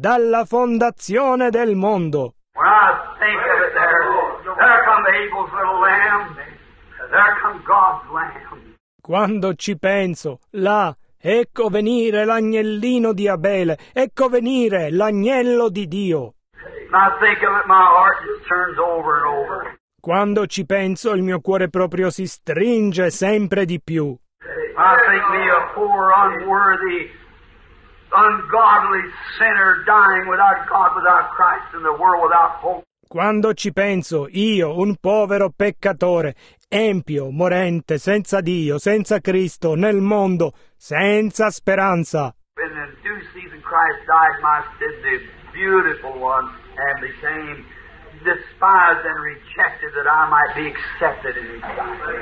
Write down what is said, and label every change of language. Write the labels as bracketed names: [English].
[Italian] Dalla fondazione del mondo. [English] When I think of it, there come Abel's little lamb. There come God's lamb. [Italian] Quando ci penso, là, ecco venire l'agnellino di Abele. Ecco venire l'agnello di Dio. [English] When I think of it, my heart just turns over and over. [Italian] Quando ci penso, il mio cuore proprio si stringe sempre di più. [English] I think me a poor, unworthy, ungodly sinner dying without God, without Christ in the world, without hope. [Italian] Quando ci penso, io, un povero peccatore, empio, morente, senza Dio, senza Cristo, nel mondo, senza speranza. [English] In the due season Christ died, my sin, the beautiful one, and became despised and rejected that I might be accepted in his sight.